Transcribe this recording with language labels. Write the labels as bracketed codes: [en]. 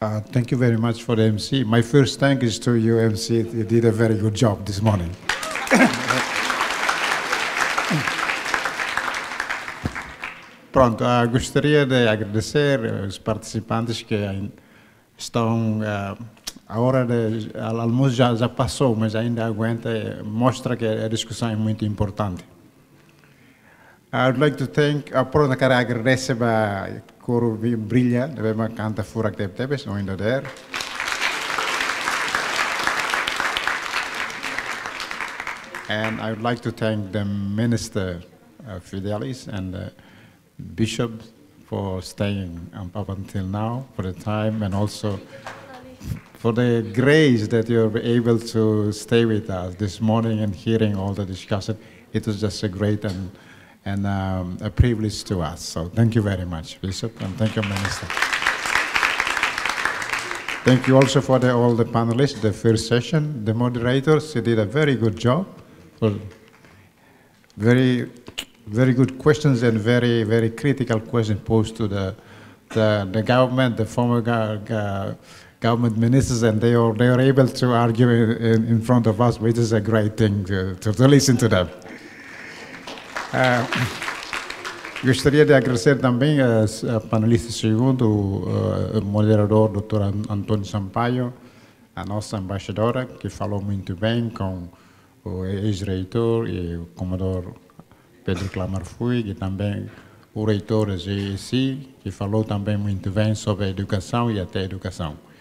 [en] Thank you very much for the MC. My first thank is to you, MC. You did a very good job this morning. [pt] Pronto, gostaria de agradecer os participantes que estão... A hora de almoço já passou, mas ainda aguenta. Mostra que a discussão é muito importante. [en] I would like to thank... [pt] Pronto, quero agradecer para... coro brilha, deve uma canta fora que teve, não ainda der. [en] And I would like to thank the minister Fidelis and the bishop for staying up until now, for the time, and also for the grace that you're able to stay with us this morning and hearing all the discussion. It was just a great and a privilege to us. So thank you very much, Bishop, and thank you, Minister. Thank you also for all the panelists, the first session, the moderators. You did a very good job. Very, very good questions and very, very critical questions posed to the government, the former government ministers, and they are able to argue in front of us, which is a great thing to listen to them. [pt] Gostaria de agradecer também a panelista segundo, o moderador, Dr. Antônio Sampaio, a nossa embaixadora, que falou muito bem com o ex-reitor e o comodor Pedro Clamarfui, e também o reitor Zé, que falou também muito bem sobre a educação e até a educação.